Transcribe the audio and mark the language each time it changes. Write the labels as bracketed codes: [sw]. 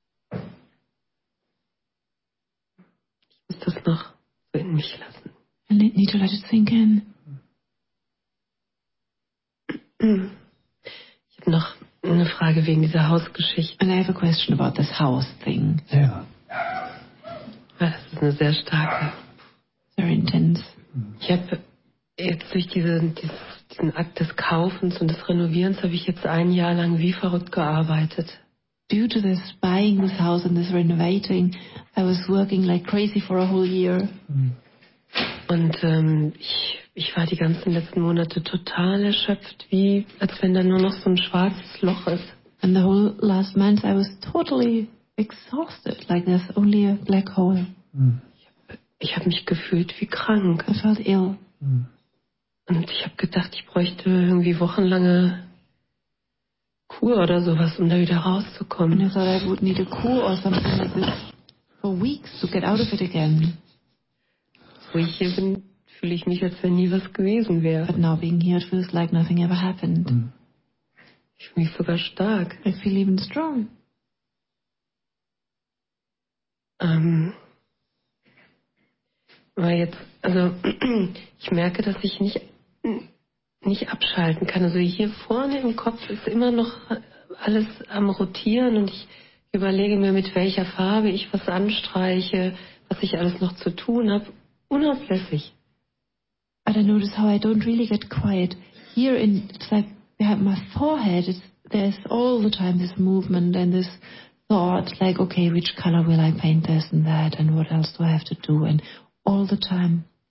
[de] Ich muss das noch in mich lassen. [en] I need to let it sink in. [de] Ich habe noch eine Frage wegen dieser Hausgeschichte. [en] And I have a question about this house thing. Yeah. [de] Das ist eine sehr starke. [en] Very intense. [de] Ich habe jetzt durch diesen Akt des Kaufens und des Renovierens habe ich jetzt ein Jahr lang wie verrückt gearbeitet. [en] Due to this buying this house and this renovating, I was working like crazy for a whole year. [de] Und ich war die ganzen letzten Monate total erschöpft, wie als wenn da nur noch so ein schwarzes Loch ist. [en] And the whole last month I was totally exhausted, like there's only a black hole. [de] Ich habe mich gefühlt wie krank. [en] I felt ill. [de] Und ich habe gedacht, ich bräuchte irgendwie wochenlange Kur oder sowas, um da wieder rauszukommen. [en] And I thought I would need a cure or something like this for weeks to get out of it again. [de] Wo ich hier bin, fühle ich mich, als wenn nie was gewesen wäre. [en] But now being here, it feels like nothing ever happened. [de] Ich fühle mich sogar stark. [en] I feel even strong. [de] Weil jetzt, also ich merke, dass ich nicht nicht abschalten kann. Also hier vorne im Kopf ist immer noch alles am Rotieren und ich überlege mir, mit welcher Farbe ich was anstreiche, was ich alles noch zu tun habe. Unablässig. [en] I don't notice how I don't really get quiet. Here in, it's like my forehead, there's all the time this movement and this thought, like, okay, which color will I paint this and that and what else do I have to do and all the time.